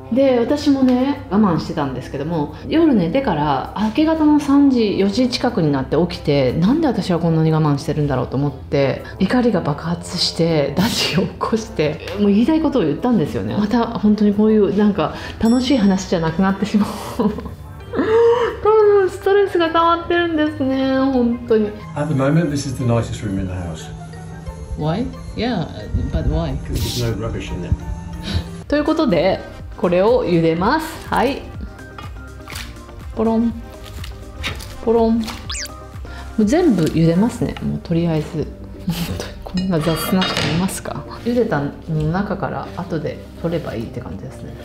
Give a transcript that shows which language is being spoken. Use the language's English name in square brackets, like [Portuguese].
[Japanese] で私もね我慢してたんですけども、夜寝てから明け方の3時4時近くになって起きて、なんで私はこんなに我慢してるんだろうと思って怒りが爆発してダディを起こして、もう言いたいことを言ったんですよね。また本当にこういうなんか楽しい話じゃなくなってしまう。多分ストレスが溜まってるんですね、本当に。 [English] At the moment this is the nicest room in the house. Why? Yeah, but why? Because there's no rubbish in there. [Japanese] ということでこれを茹でます。はい、ポロンポロン、もう全部茹でますね、もうとりあえず。こんな雑なこと言いますか。茹でたの中から後で取ればいいって感じですね。